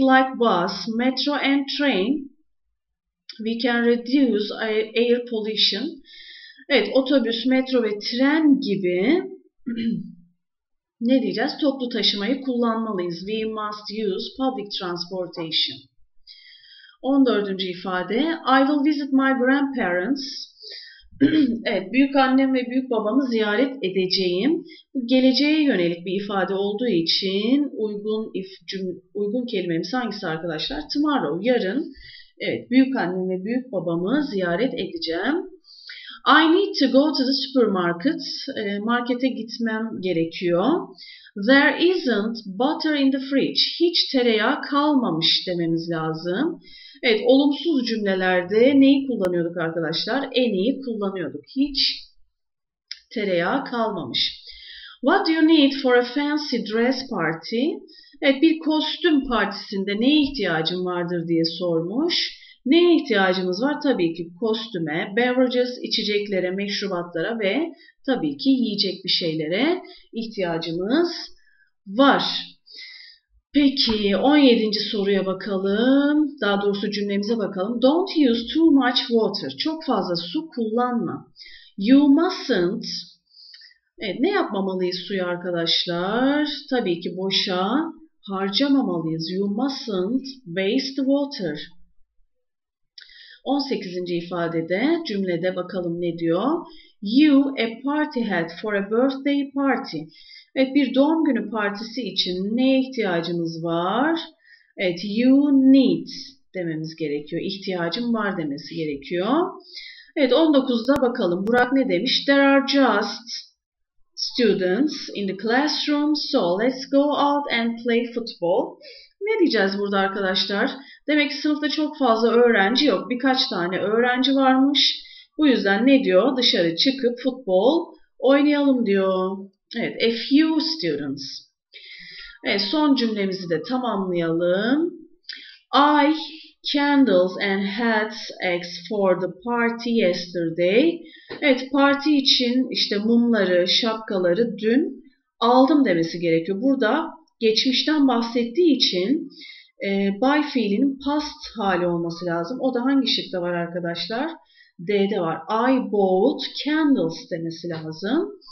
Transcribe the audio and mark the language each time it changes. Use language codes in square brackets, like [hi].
[en] Like bus, metro and train, we can reduce air pollution. [tr] Evet, otobüs, metro ve tren gibi ne diyeceğiz? Toplu taşımayı kullanmalıyız. [en] We must use public transportation. 14. [tr] ifade. [en] I will visit my grandparents. [tr] Evet, büyük annem ve büyük babamı ziyaret edeceğim. Bu geleceğe yönelik bir ifade olduğu için uygun kelimemiz hangisi arkadaşlar? [en] Tomorrow, [tr] yarın. Evet, büyük annem ve büyük babamı ziyaret edeceğim. [en] I need to go to the supermarket. [tr] Markete gitmem gerekiyor. [en] There isn't butter in the fridge. [tr] Hiç tereyağı kalmamış dememiz lazım. Evet, olumsuz cümlelerde neyi kullanıyorduk arkadaşlar? Any'yi kullanıyorduk. Hiç tereyağı kalmamış. [en] What do you need for a fancy dress party? [tr] Evet, bir kostüm partisinde neye ihtiyacın vardır diye sormuş. Neye ihtiyacımız var? Tabii ki kostüme, beverages, içeceklere, meşrubatlara ve tabii ki yiyecek bir şeylere ihtiyacımız var. Peki 17. soruya bakalım. Daha doğrusu cümlemize bakalım. [en] Don't use too much water. [tr] Çok fazla su kullanma. [en] You mustn't. [tr] Evet, ne yapmamalıyız suyu arkadaşlar? Tabii ki boşa harcamamalıyız. [en] You mustn't waste water. [tr] 18. ifadede cümlede bakalım ne diyor? [en] You a party hat for a birthday party. [tr] Evet, bir doğum günü partisi için neye ihtiyacımız var? Evet, [en] you need [tr] dememiz gerekiyor. İhtiyacım var demesi gerekiyor. Evet, 19'da bakalım. Burak ne demiş? [en] There are just students in the classroom, so let's go out and play football. [tr] Ne diyeceğiz burada arkadaşlar? Demek ki sınıfta çok fazla öğrenci yok. Birkaç tane öğrenci varmış. Bu yüzden ne diyor? Dışarı çıkıp futbol oynayalım diyor. Evet, [en] a few students. [tr] Evet, son cümlemizi de tamamlayalım. [en] I candles and hats asked for the party yesterday. [tr] Evet, parti için işte mumları, şapkaları dün aldım demesi gerekiyor. Burada geçmişten bahsettiği için by fiilinin past hali olması lazım. O da hangi şıkta var arkadaşlar? D'de var. [en] I bought candles [tr] demesi lazım.